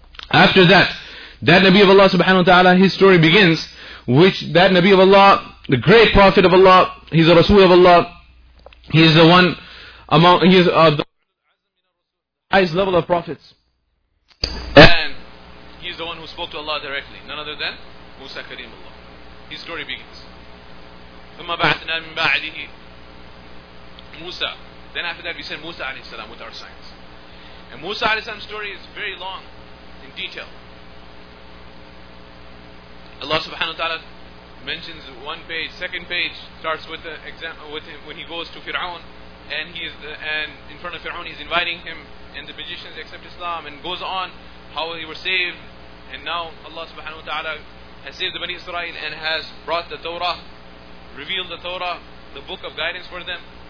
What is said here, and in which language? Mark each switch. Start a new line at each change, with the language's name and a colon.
English: After that, that Nabi of Allah subhanahu wa ta'ala, his story begins, which that Nabi of Allah, the great Prophet of Allah, he's a Rasul of Allah, he's the one among, he's of the highest level of prophets. And he's the one who spoke to Allah directly, none other than Musa Kareem Allah. His story begins.
Arabic: ثُمَّ بَعْثْنَا مِنْ بَعْدِهِ Musa.
English: Then after that we send Musa alayhi salam with our signs. And Musa alayhi salam's story is very long in detail. Allah subhanahu wa ta'ala mentions one page, second page starts with the example with him when he goes to Fir'aun and he is and in front of Fir'aun he's inviting him and the magicians accept Islam and goes on how they were saved and now Allah subhanahu wa ta'ala has saved the Bani Israel and has brought the Torah, revealed the Torah, the book of guidance for them.